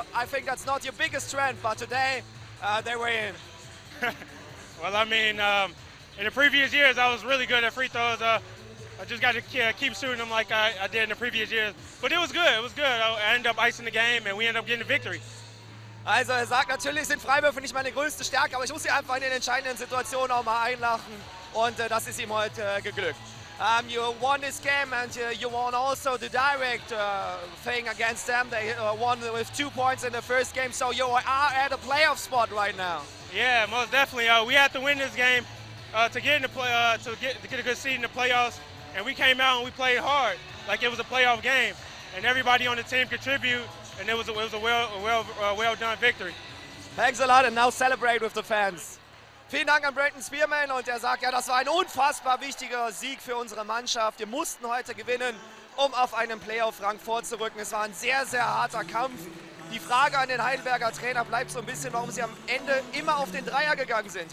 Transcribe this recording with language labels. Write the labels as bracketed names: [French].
[English] I think that's not your biggest strength, but today they were in. Well, I mean, in the previous years I was really good at free throws. I just got to keep shooting them like I did in the previous years. But it was good. It was good. I ended up icing the game and we ended up getting the victory. [German] Also er sagt, natürlich sind Freiwürfe nicht meine größte Stärke, aber ich muss sie einfach in den entscheidenden Situationen auch mal einlachen und das ist ihm heute geglückt. [English] You won this game and you won also the direct thing against them. They won with 2 points in the first game, so you are at a playoff spot right now. Yeah, most definitely. We had to win this game to get a good seed in the playoffs. And we came out and we played hard, like it was a playoff game. And everybody on the team contributed, and it was a well done victory. Thanks a lot, and now celebrate with the fans. [German] Vielen Dank an Brandon Spearman und er sagt, ja, das war ein unfassbar wichtiger Sieg für unsere Mannschaft. Wir mussten heute gewinnen, um auf einen Playoff-Rang vorzurücken. Es war ein sehr, sehr harter Kampf. Die Frage an den Heidelberger Trainer bleibt so ein bisschen, warum sie am Ende immer auf den Dreier gegangen sind.